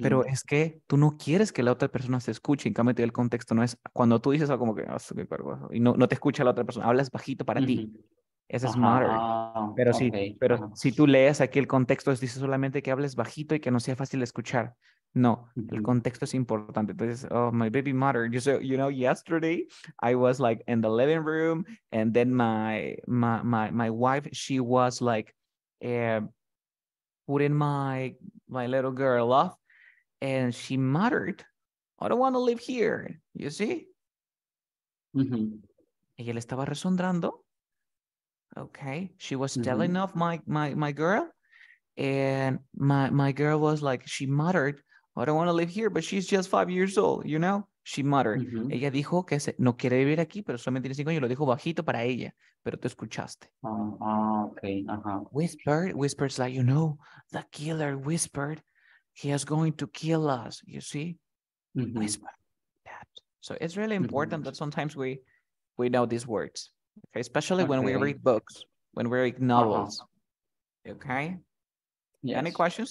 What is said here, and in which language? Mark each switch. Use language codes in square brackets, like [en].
[es] Pero es que tú no quieres que la otra persona se escuche, en cambio el contexto no es, cuando tú dices algo como que, oh, qué cuervo, y no te escucha la otra persona, hablas bajito para mm-hmm. ti. Ese es muttered. Si tú lees aquí el contexto, dice solamente que hables bajito y que no sea fácil de escuchar. No, mm-hmm. el contexto es importante. Entonces, [en] oh, my baby muttered. You know, yesterday I was like in the living room, and then my wife, she was like putting my little girl off, and she muttered, I don't want to live here. You see? [es] Mm-hmm. Y él estaba resondrando. [en] Okay, she was mm-hmm. telling off my girl, and my girl was like, she muttered, I don't want to live here, but she's just 5 years old, you know? She muttered. Mm-hmm. [es] Ella dijo que no quiere vivir aquí, pero solamente tiene 5 años. Lo dijo bajito para ella, pero tú escuchaste. [en] Okay. Uh-huh. Whispered's like, you know, the killer whispered, he is going to kill us, you see? Mm-hmm. Whisper. That. So it's really important mm-hmm. that sometimes we know these words, okay? Especially okay. when we read books, when we read novels, uh-huh. okay? Yes. Any questions?